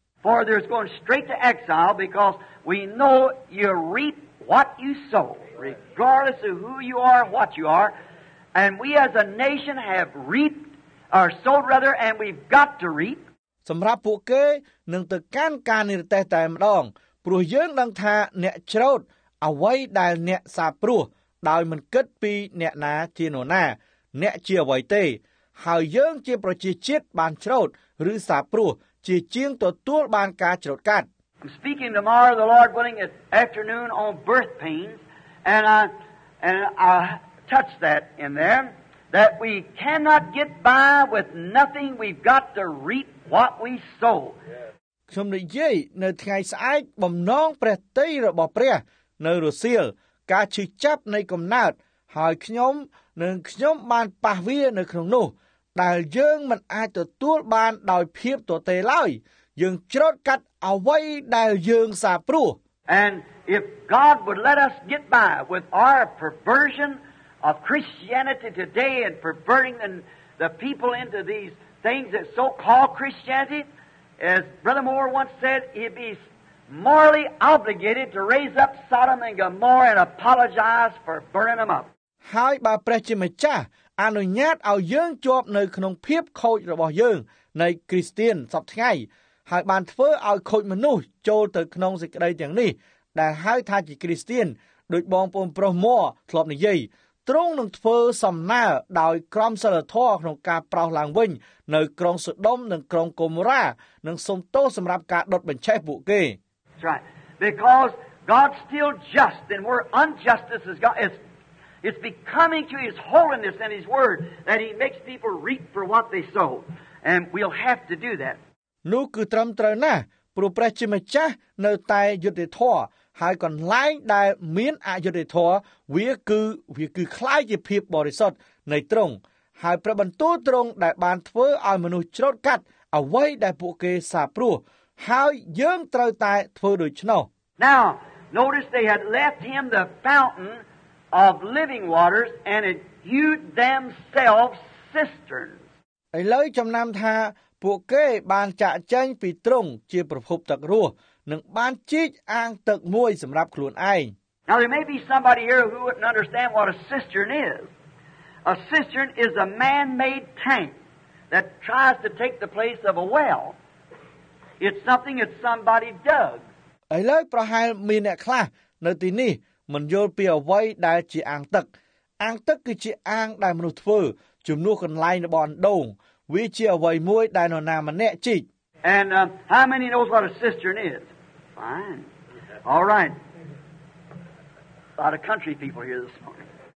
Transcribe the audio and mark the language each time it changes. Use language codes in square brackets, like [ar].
[en] For there's going straight to exile because we know you reap what you sowregardless of who you are, what you are, and we as a nation have reaped, or sowed rather, and we've got to reap. [km] សម្រាប់ពួកគេនឹងទៅកាន់ការនិរទេសតែម្ដងព្រោះយើងដឹងថាអ្នកច្រូតអ្វីដែលអ្នកសាព្រោះដោយមិនគិតពីអ្នកណាជានរណាអ្នកជាអ្វីទេហើយយើងជាប្រជាជាតិបានច្រូតឬសាព្រោះជាជាងទទួលបានការច្រូតកាត់ [en] I'm speaking tomorrow, the Lord willing, at afternoon on birth painsAnd I touched that in there, that we cannot get by with nothing. We've got to reap what we sow. [km] ខ្ញុំនិយាយនៅថ្ងៃស្អែកបំណងព្រះទ័យរបស់ព្រះនៅរុស្ស៊ីលការឈឺចាប់នៃកំណើតហើយខ្ញុំនឹងខ្ញុំបានប៉ះវានៅក្នុងនោះដែលយើងមិនអាចទទួលបានដោយភាពទទេឡើយយើងច្រត់កាត់អ្វីដែលយើងសាព្រោះ [en] AndIf God would let us get by with our perversion of Christianity today and perverting the people into these things that so-called Christianity, as Brother Moore once said, he'd be morally obligated to raise up Sodom and Gomorrah and apologize for burning them up. [km] ហើយបើព្រះជាម្ចាស់អនុញ្ញាតឲ្យយើងជាប់នៅក្នុងភាពខូចរបស់យើងនៃគ្រីស្ទានសពថ្ងៃហើយបានធ្វើឲ្យខូចមនុស្សចូលទៅក្នុងសេចក្តីទាំងនេះដែលហៅថាជាគ្រីស្ទានដូចបងប្អូនប្រុសមកធ្លាប់និយាយត្រង់នឹងធ្វើសំណើដោយក្រុមសិលធរក្នុងការប្រោសឡើងវិញនៅក្រុងសូដុំនិងក្រុងកូមរានិងសុំទោសសម្រាប់ការដុតបញ្ឆេះពួកគេ [en] Because God's still just and where injustice is God is becoming to his holiness and his word that he makes people reap for what they sow and we'll have to do that [km] នោះគឺត្រឹមត្រូវណាស់ព្រោះព្រះជាម្ចាស់នៅតែយុត្តិធម៌ហើយកន្លែងដែលមានអយុត្តិធម៌វាគឺ [th] คล้าย [km] ជាភាពបរិសុទ្ធនៃទ្រង់ហើយព្រះបន្ទូលទ្រង់ដែលបានធ្វើឲ្យមនុស្សច្រត់កាត់អ្វីដែលពួកគេសាព្រោះហើយយើងត្រូវតែធ្វើដូច្នោះ [en] Now notice they had left him the fountain of living waters and had hewed themselves cisterns [km] ឥឡូវចំណាំថាពួកគេបានចាក់ចែងពីត្រង់ជាប្រភពទឹករស់និងបានជីកអាងទឹកមួយសម្រាប់ខ្លួនឯង [en] Now there may be somebody here who wouldn't understand what a cistern is. A cistern is a man-made tank that tries to take the place of a well. It's something that somebody dug. [km] ឥឡូវប្រហែលមានអ្នកខ្លះនៅទីនេះមិនយល់ពីអ្វីដែលជាអាងទឹកអាងទឹកគឺជាអាងដែលមនុស្សធ្វើជំនួសកន្លែងរបស់អណ្ដូងវាជាអ្វីមួយដែលនរណាម្នាក់ជីក [en] And how many knows what a cistern is? Fine. All right. A lot of country people here this morning.